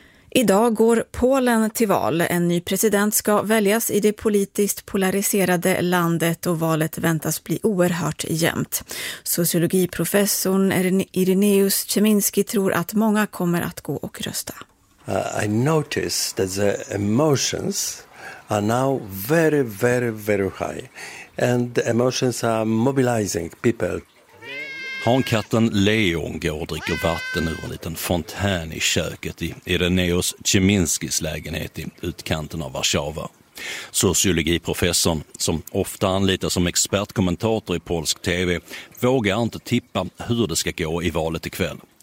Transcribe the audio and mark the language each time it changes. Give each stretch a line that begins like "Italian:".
Swedish: Idag går Polen till val. En ny president ska väljas i det politiskt polariserade landet och valet väntas bli oerhört jämnt. Sociologiprofessorn Ireneusz Cieminski tror att många kommer att gå och rösta.
English: I notice that the emotions are now very, very, very high. And emotions are mobilizing people.
Swedish: Hankatten Leon går och dricker vatten ur en liten fontän i köket i Ireneusz Cieminskis lägenhet i utkanten av Warszawa. Sociologiprofessorn, som ofta anlitas som expertkommentator i polsk tv, vågar inte tippa hur det ska gå i valet ikväll.